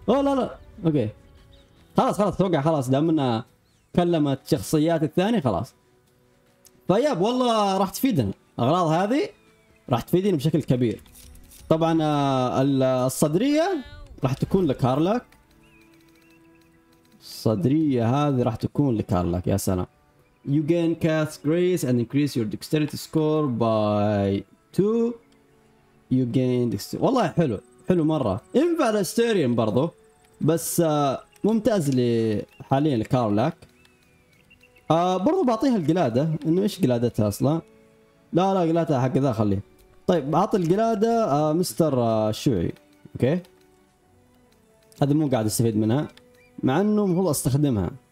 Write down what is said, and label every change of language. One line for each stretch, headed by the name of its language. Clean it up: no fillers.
Arabic: اوه لا لا اوكي خلاص خلاص توقع خلاص دامنا كلمت شخصيات الثانية خلاص. طيب والله راح تفيدنا اغراض هذه، راح تفيدني بشكل كبير. طبعا الصدرية راح تكون لكارلك، الصدرية هذه راح تكون لكارلك. يا سلام.
English: You gain cast grace and increase your dexterity score by 2. You gain dexterity.
Arabic: والله حلو حلو مرة. ينفع الاستيريوم برضو بس ممتاز لي حاليا لكارلك. برضو بعطيها القلادة، انه ايش قلادتها اصلا؟ لا لا قلادتها حق ذا خليه. طيب بعطي القلادة مستر شوعي، اوكي؟ هذا مو قاعد استفيد منها، مع انه المفروض استخدمها.